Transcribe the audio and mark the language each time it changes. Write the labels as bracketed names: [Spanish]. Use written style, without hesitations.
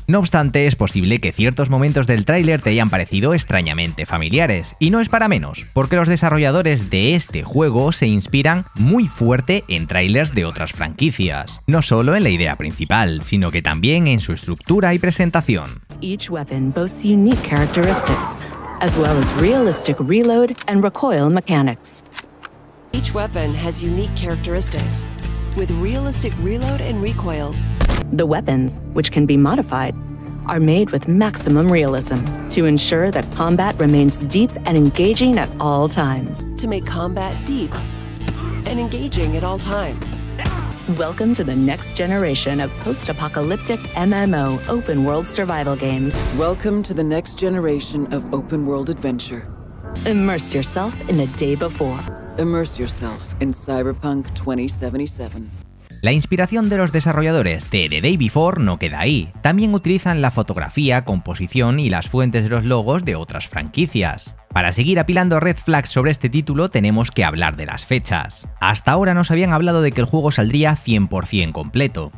[Spanish] No obstante, es posible que ciertos momentos del tráiler te hayan parecido extrañamente familiares, y no es para menos, porque los desarrolladores de este juego se inspiran muy fuerte en tráilers de otras franquicias, no solo en la idea principal, sino que también en su estructura y presentación. [English] Each weapon boasts unique characteristics, as well as realistic reload and recoil mechanics. Each weapon has unique characteristics, with realistic reload and recoil. The weapons, which can be modified, are made with maximum realism to ensure that combat remains deep and engaging at all times. To make combat deep and engaging at all times. Welcome to the next generation of post-apocalyptic MMO open-world survival games. Welcome to the next generation of open-world adventure. Immerse yourself in The Day Before. Immerse yourself in Cyberpunk 2077. [Spanish] La inspiración de los desarrolladores de The Day Before no queda ahí. También utilizan la fotografía, composición y las fuentes de los logos de otras franquicias. Para seguir apilando red flags sobre este título, tenemos que hablar de las fechas. Hasta ahora nos habían hablado de que el juego saldría 100% completo.